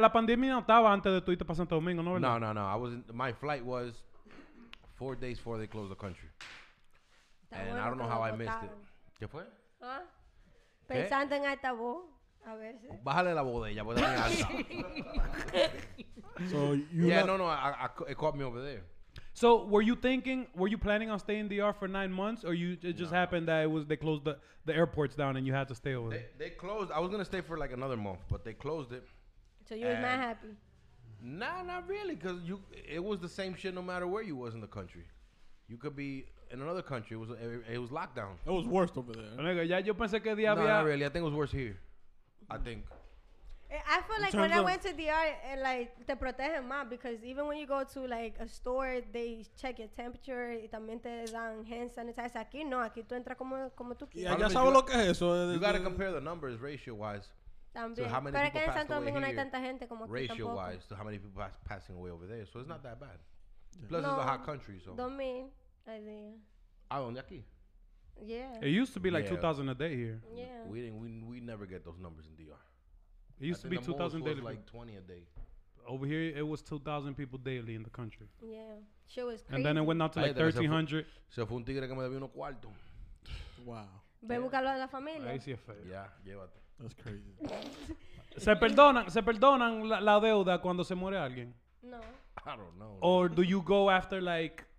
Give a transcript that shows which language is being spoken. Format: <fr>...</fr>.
<es>La pandemia no estaba antes de tu irte para Santo Domingo, ¿no? No.</es> <en>My flight was 4 days before they closed the country. And I don't know how I missed it.</en> <es>¿Qué fue? ¿Ah? Pensando en esta voz, a veces. Bájale la voz de ella, porque también alta.</es> <en>It caught me over there. So, were you planning on staying in DR for 9 months, or happened that they closed the airports down and you had to stay over there? They closed. I was going to stay for like another month, but they closed it. So, you were not happy? Nah, not really, because it was the same shit no matter where you was in the country. You could be in another country. It was lockdown. It was worse over there.</en> <es>Nigga, ya yo pensé que día</es> <en>había... No, not really. I think it was worse here. I think. I feel like when I went to DR,</en> <es>te protegen más,</es> <en>because even when you go to like a store, they check your temperature</en> <es>y también te dan</es> <en>hand sanitizer.</en> <es>Aquí no, aquí tú entras como tú quieras. Ya sabes lo que es eso.</es> <en>You gotta compare the numbers ratio wise.</en> <es>También. Pero que en Santo Domingo no hay tanta gente como aquí.</es> <en>Ratio wise, to how many people passing away over there, so it's not that bad. Yeah. Plus, no, it's a hot country, so. 2,000 a</en> <es>day. ¿A dónde aquí?</es> <en>Yeah. It used to be like 2,000 a day here. Yeah. We never get those numbers in DR. It used to be 2,000 daily. Like 20 a day. Over here, it was 2,000 people daily in the country. Yeah. Shit was crazy. And then it went down to like 1,300.</en> <es>Se fue un tigre que me debió unos cuartos.</es> <en>Wow.</en> <es>Ve buscarlo a la familia. Ahí sí es feo. Ya, llévate.</es> <en>That's crazy.</en> <es>¿Se perdonan la deuda cuando se muere alguien? No.</es> <en>I don't know. Or do you go after like...</en>